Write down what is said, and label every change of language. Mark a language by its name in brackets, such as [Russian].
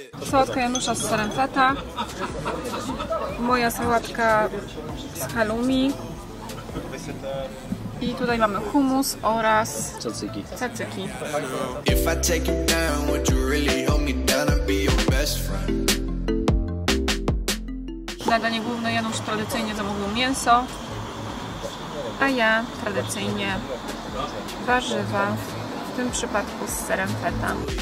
[Polish] Sałatka Janusza z sorem feta. Moja sałatka z halloumi. I tutaj mamy hummus oraz tzatziki. [English] If I take you down, would you really hold me down and be your best friend? [Polish] Danie główne, Janusz tradycyjnie zamówił mięso, a ja tradycyjnie warzywa, w tym przypadku z serem feta.